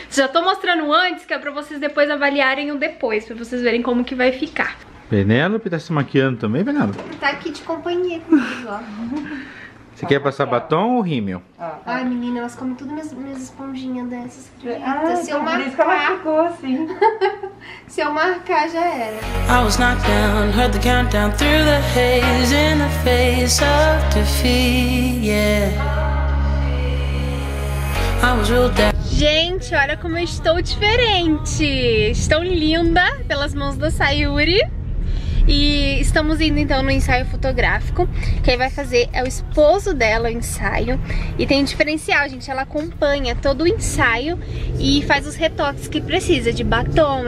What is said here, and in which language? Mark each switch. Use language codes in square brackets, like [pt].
[pt] Já tô mostrando antes, que é pra vocês depois avaliarem o depois, pra vocês verem como que vai ficar. Penélope tá se maquiando também, Penélope? Tá aqui de companhia comigo, ó. Você quer passar batom ou rímel? Ai, menina, elas comem tudo minhas esponjinhas dessas. Ah, se eu marcar, por isso que ela ficou assim. Se eu marcar, já era. [en] I was knocked down, heard the countdown through the haze in the face of defeat, yeah. [pt] Gente, olha como eu estou diferente. Estou linda pelas mãos da Sayuri. E estamos indo então no ensaio fotográfico. Quem vai fazer é o esposo dela, o ensaio. E tem um diferencial, gente. Ela acompanha todo o ensaio e faz os retoques que precisa de batom.